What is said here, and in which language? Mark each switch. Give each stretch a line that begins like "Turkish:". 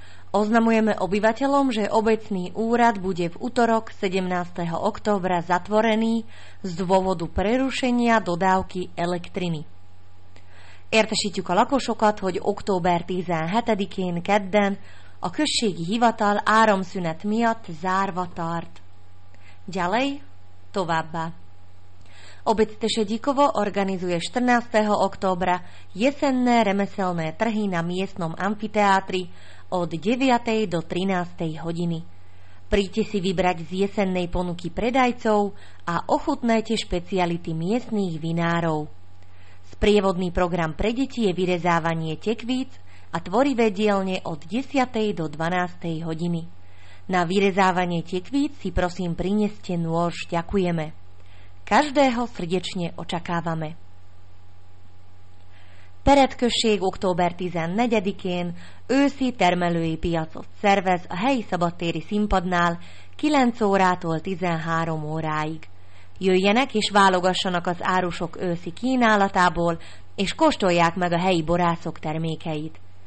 Slovak: Oznamujeme obyvateľom, že obecný úrad bude v utorok 17. októbra zatvorený z dôvodu prerušenia dodávky elektriny.
Hungarian: Értesítjük a lakosokat, hogy október 17-én kedden a községi hivatal áramszünet miatt zárva tart.
Slovak: Ďalej,
Hungarian: továbbá.
Slovak: Obec Tešedíkovo organizuje 14. októbra jesenné remeselné trhy na miestnom amfiteátri od 9. do 13. hodiny. Príďte si vybrať z jesennej ponuky predajcov a ochutnajte špeciality miestnych vinárov. Sprievodný program pre deti je vyrezávanie tekvíc a tvorivé dielne od 10. do 12. hodiny. Na vyrezávanie tekvíc si prosím prineste nôž, ďakujeme. Každého srdečne očakávame.
Hungarian: Peredkösség október 14-én őszi termelői piacot szervez a helyi szabadtéri színpadnál 9 órától 13 óráig. Jöjjenek és válogassanak az árusok őszi kínálatából, és kóstolják meg a helyi borászok termékeit.